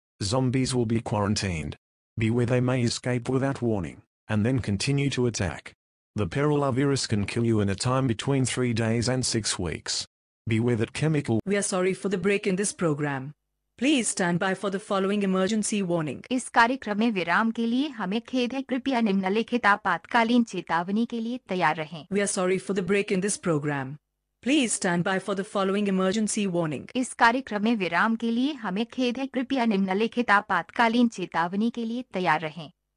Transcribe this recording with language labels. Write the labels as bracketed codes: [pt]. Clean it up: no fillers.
[en] Zombies will be quarantined. Beware, they may escape without warning, and then continue to attack. The peril of virus can kill you in a time between 3 days and 6 weeks. Beware that chemical... We are sorry for the break in this program. Please stand by for the following emergency warning. [hi] इस कार्यक्रम में विराम के लिए हमें खेद है, कृपया निम्नलिखित आपातकालीन चेतावनी के लिए तैयार रहें। [en] We are sorry for the break in this program. Please stand by for the following emergency warning. [hi] इस कार्यक्रम में विराम के लिए हमें खेद है, कृपया निम्नलिखित आपातकालीन चेतावनी के लिए तैयार रहें।